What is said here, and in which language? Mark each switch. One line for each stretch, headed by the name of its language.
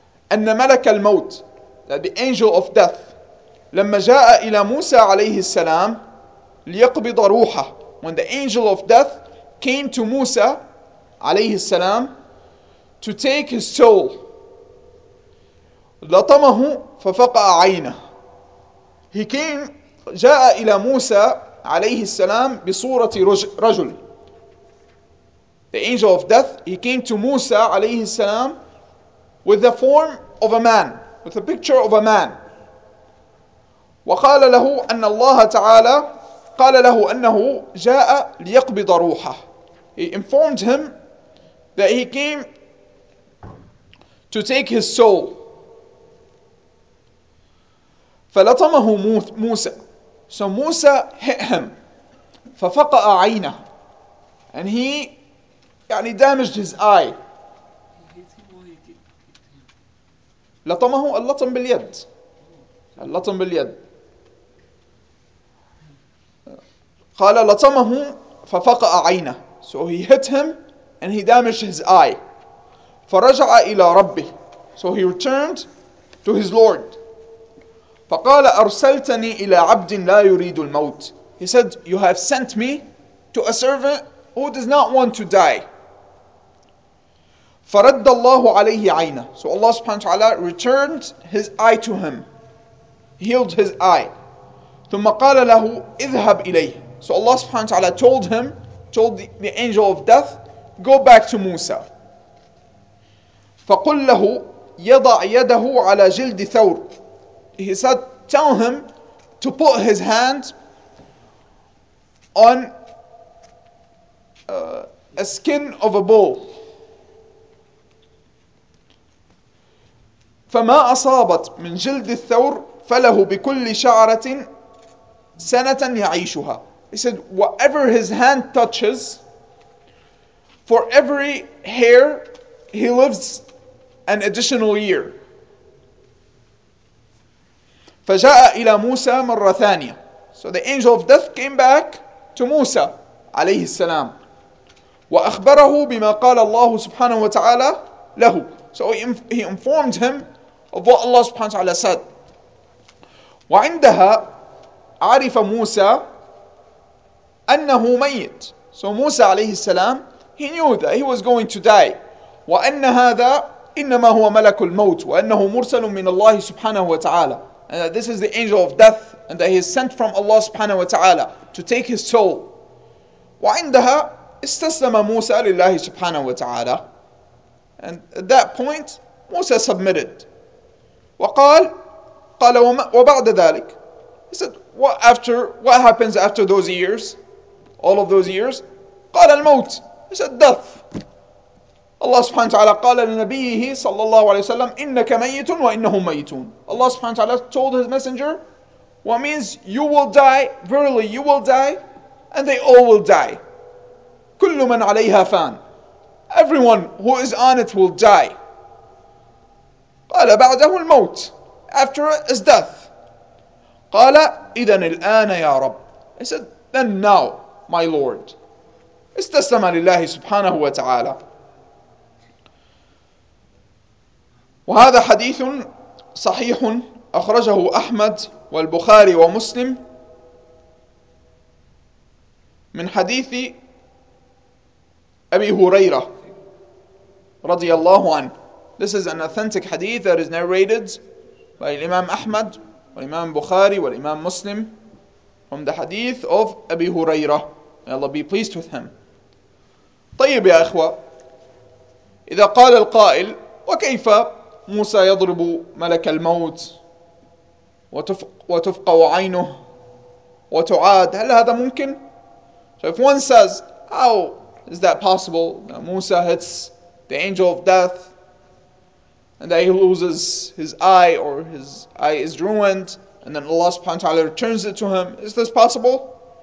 Arabic: أن ملك الموت,
English: that the angel of death,
Arabic: لما جاء إلى موسى عليه السلام ليقبض روحه,
English: when the angel of death came to Musa عليه السلام to take his soul,
Arabic: لطمه ففقأ عينه. جاء إلى موسى عليه السلام بصورة رجل.
English: The angel of death, he came to Musa عليه السلام with the form of a man, with the picture of a man.
Arabic: وقال له أن الله تعالى قال له أنه جاء ليقبض روحه.
English: He informed him that he came to take his soul.
Arabic: فلطمه موسى.
English: So Musa hit him.
Arabic: ففقأ عينه.
English: And he يعني damaged his eye.
Arabic: لطمه اللطم باليد. اللطم باليد. قال لطمه ففقأ عينه.
English: So he hit him and he damaged his eye.
Arabic: فرجع إلى ربه.
English: So he returned to his Lord.
Arabic: فقال أرسلتني إلى عبد لا يريد الموت.
English: He said, you have sent me to a servant who does not want to die.
Arabic: فرد الله عليه عينه.
English: So Allah subhanahu wa ta'ala returned his eye to him. Healed his eye.
Arabic: ثم قال له اذهب إليه.
English: So Allah subhanahu wa ta'ala told the angel of death, go back to Musa.
Arabic: فقل له يضع يده على جلد ثور.
English: He said, tell him to put his hand on a skin of a bull.
Arabic: فما أصابت من جلد الثور فله بكل شعرة سنة يعيشها.
English: He said, whatever his hand touches, for every hair he lives an additional year.
Arabic: فجاء إلى موسى مرة ثانية.
English: So the angel of death came back to Musa عليه السلام
Arabic: وأخبره بما قال الله سبحانه وتعالى له.
English: So he informed him of what Allah سبحانه وتعالى said.
Arabic: وعندها عرف موسى أنه ميت.
English: So Musa عليه السلام, he knew that he was going to die.
Arabic: وأن هذا إنما هو ملك الموت وأنه مرسل من الله سبحانه وتعالى.
English: And that this is the angel of death, and that he is sent from Allah subhanahu wa ta'ala to take his soul.
Arabic: وعندها استسلم موسى لله سبحانه وتعالى.
English: And at that point, Musa submitted.
Arabic: وقال وبعد ذلك.
English: He said, what happens after those years? All of those years?
Arabic: قال الموت.
English: He said, death.
Arabic: Allah subhanahu wa ta'ala قال لنبيه صلى الله عليه وسلم إنك ميت وإنهم ميتون.
English: Allah subhanahu wa ta'ala told his messenger, what means you will die, verily you will die, and they all will die.
Arabic: كل من عليها فان.
English: Everyone who is on it will die.
Arabic: قال بعده الموت.
English: After it is death.
Arabic: قال إذن الآن يا رب.
English: He said, then now, my Lord.
Arabic: استسلم لله سبحانه وتعالى. وهذا حديث صحيح أخرجه أحمد والبخاري ومسلم من حديث أبي هريرة رضي الله عنه.
English: This is an authentic hadith that is narrated by Imam Ahmad, Imam Bukhari, and Imam Muslim from the hadith of Abi Huraira. May Allah be pleased with him.
Arabic: طيب يا إخوة, إذا قال القائل وكيف موسى يضرب ملك الموت وتفقع عينه وتعاد, هل هذا ممكن؟
English: So if one says, how is that possible that Musa hits the angel of death and that he loses his eye or his eye is ruined and then Allah subhanahu wa ta'ala returns it to him, is this possible?